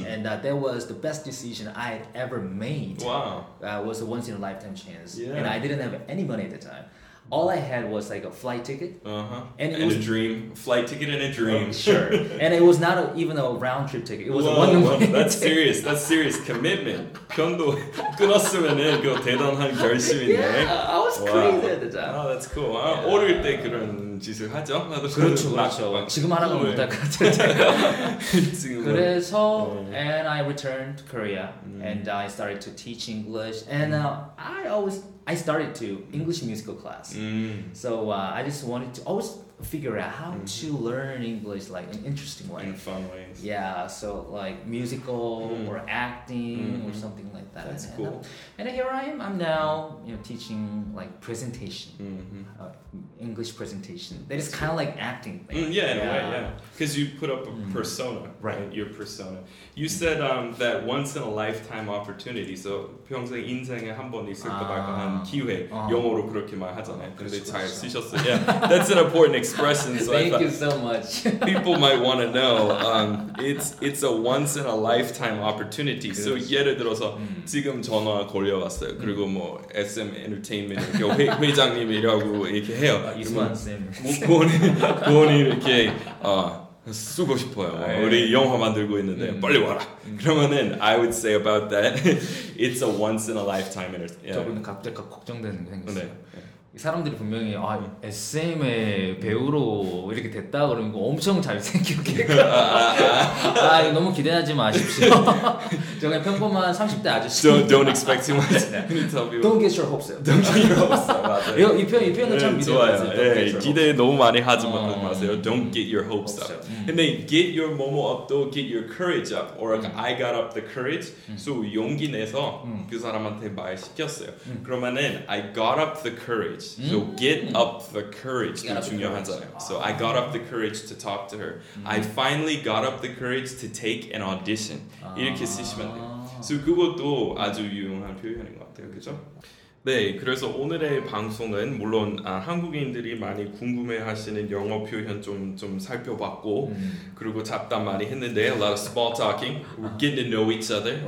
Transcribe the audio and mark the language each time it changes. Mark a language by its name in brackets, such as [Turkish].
[English] And that was the best decision I had ever made. Wow. That was a once in a lifetime chance. Yeah. And I didn't have any money at the time. All I had was like a flight ticket. Uh-huh. And, a dream. Flight ticket and a dream. Oh, sure. And it was not even a round trip ticket. It was a one-way ticket. That's serious. That's serious commitment. [Korean] 평도 끊었으면은 그 대단한 결심인데. [English] Yeah, I was crazy at the time. Oh, that's cool. Yeah. [Korean] 어릴 때 그런 짓을 하죠. 나도 그렇죠, 그렇죠. 지금 하라고 못 할 것 같아요. 그래서 [English] and I returned to Korea and I started to teach English and I started to English musical class. So I just wanted to always figure out how to learn English like in an interesting way. In fun ways. Yeah, so like musical or acting or something like that. That's cool. And here I am. I'm now teaching like presentation. English presentation. That is kind of like acting. Like, in a way. Because you put up a persona. Right. Your persona. You said that once in a lifetime opportunity. [Korean] So 평생 인생에 한 번 있을 것 같고 한 기회. 영어로 그렇게 말하잖아요. 근데 잘 쓰셨어요. [English] Yeah. That's an important expression. So thank you so much. People might want to know. It's a once in a lifetime opportunity. [Korean] 그렇죠. So 예를 들어서 지금 전화 걸려왔어요. 그리고 뭐 SM Entertainment 회장님이라고 이렇게 해요. 이만 쌤 이렇게 쓰고 싶어요. 우리 영화 만들고 있는데 빨리 와라. [English] 그러면은 I would say about that it's a once in a lifetime. [Korean] 저분 갑자기 걱정되는 게 생겼어요. 사람들이 분명히 아 SM의 배우로 이렇게 됐다 그러면 이거 엄청 잘생겼겠다. 아 이거 너무 기대하지 마십시오. 저 그냥 평범한 30대 아저씨. [English] Don't expect too much. Don't get your hopes up. Don't get your hopes up. [Korean] 이 표현은 참 미세하지. 기대 너무 많이 하지 마세요. [English] Don't get your hopes up. 근데 get your momo up, though, get your courage up. Or like, I got up the courage. [Korean] So 용기 내서 그 사람한테 말 시켰어요. [English] 그러면은 I got up the courage. So get up the courage. [Korean] 중요하잖아요. [English] So I got up the courage to talk to her. I finally got up the courage to take an audition. [Korean] 이렇게 쓰시면 돼요. So 그것도 아주 유용한 표현인 것 같아요. 그렇죠? 네, 그래서 오늘의 방송은 물론 한국인들이 많이 궁금해하시는 영어 표현 좀 살펴봤고 그리고 잡담 많이 했는데 [English] a lot of small talking, we're getting to know each other,